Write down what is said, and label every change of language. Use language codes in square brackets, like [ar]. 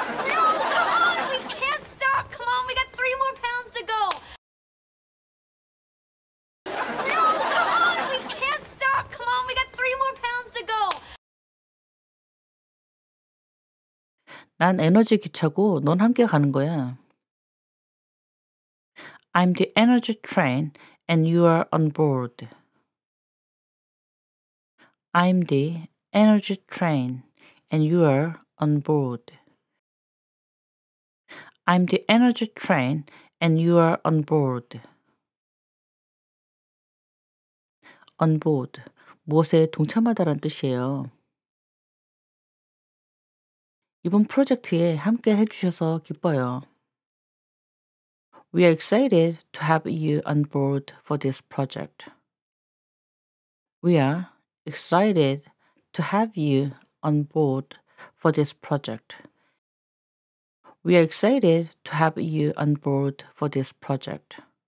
[en] No, come on! We can't stop! Come on, we got 3 more pounds to go! No, come on! We can't stop! Come on, we got 3 more pounds to go! [ko] 난 에너지 기차고 넌 함께 가는 거야. [en] I'm the energy train and you are on board. I'm the energy train and you are on board. I'm the energy train and you are on board. On board. [ko] 무엇에 동참하다란 뜻이에요. 이번 프로젝트에 함께 해주셔서 기뻐요. [en] We are excited to have you on board for this project. We are excited to have you on board for this project. We are excited to have you on board for this project.